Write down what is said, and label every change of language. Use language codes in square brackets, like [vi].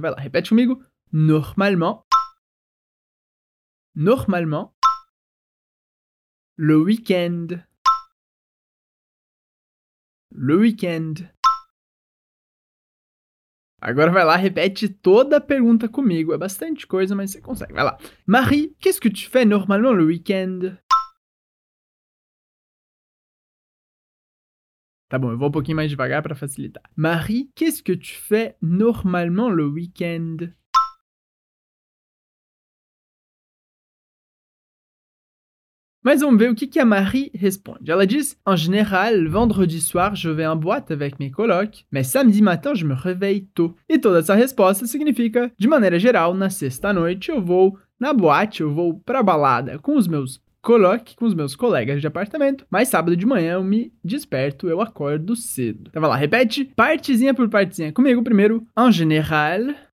[pt] Vai lá, repete comigo. [fr] Normalement. Normalement, le week-end. Le week-end. [pt] Agora vai lá, repete toda a pergunta comigo. É bastante coisa, mas você consegue. Vai lá. [fr] Marie, qu'est-ce que tu fais normalement le week-end? [pt] Tá bom, eu vou um pouquinho mais devagar para facilitar. [fr] Marie, qu'est-ce que tu fais normalement le week-end? Marie, [pt] Mas vamos ver o que a Marie responde. Ela diz, [fr] en général, vendredi soir, je vais en boîte avec mes colocs, mais samedi matin, je me réveille tôt. [pt] E toda essa resposta significa, de maneira geral, na sexta-noite, eu vou na boate, eu vou pra balada com os meus coloque com os meus colegas de apartamento. Mas sábado de manhã eu me desperto, eu acordo cedo. Então vai lá, repete partezinha por partezinha comigo primeiro. [fr] En général.